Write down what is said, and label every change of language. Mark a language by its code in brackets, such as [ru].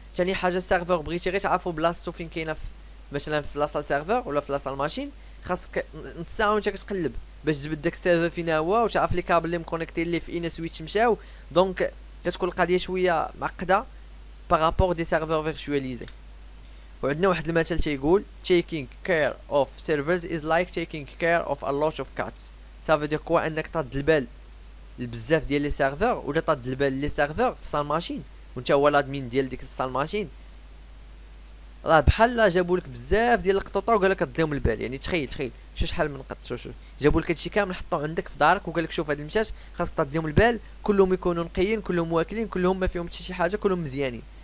[ar] ثاني حاجه السيرفور بغيتي غير تعرفو بلاصتو فين كاينه، مثلا في لاصا سيرفور ولا في لاصا الماشين، خاصك نص ساعه وانت كتقلب باش تجبد داك السيرفر فين هو وتعرف لي كابل لي مكونيكتي اللي في ان سويتش مشاو. دونك كتكون القضيه شويه معقده بارابور دي سيرفور فيرتواليزي. وعندنا واحد المثل تيقول [en] taking care of servers is like taking care of a lot of cats. [ar] صافي دير كوا انك طاد البال لبزاف ديال لي سيرفور، ولا طاد البال لي سيرفور في صال ماشين وانت هو الادمين ديال ديك الصال ماشين، راه بحال جابوا لك بزاف ديال القطوطة وقال لك ديهم البال. يعني تخيل تخيل شو شحال من قط، شو جابوا لك هادشي كامل حطوه عندك في دارك وقال لك شوف هاد المشات خاصك طاد ليهم البال، كلهم يكونوا نقيين، كلهم واكلين، كلهم ما فيهم حتى شي حاجه، كلهم مزيانين.